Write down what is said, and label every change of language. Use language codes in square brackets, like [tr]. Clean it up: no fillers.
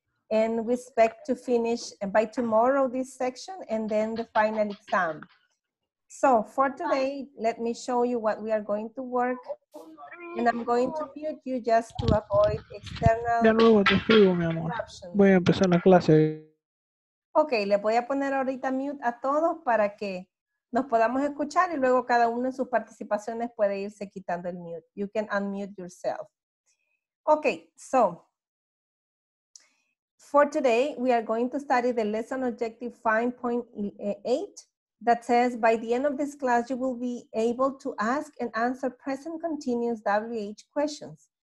[en] And we expect to finish by tomorrow this section and then the final exam. So for today, let me show you what we are going to work. And I'm going to mute you just to avoid external interruptions. [es] Voy a empezar la clase. Okay, le voy a poner ahorita mute a todos para que nos podamos escuchar y luego cada uno en sus participaciones puede irse quitando el mute. [en] You can unmute yourself. Okay, so for today, we are going to study the lesson objective 5.8 that says, by the end of this class, you will be able to ask and answer present continuous WH questions.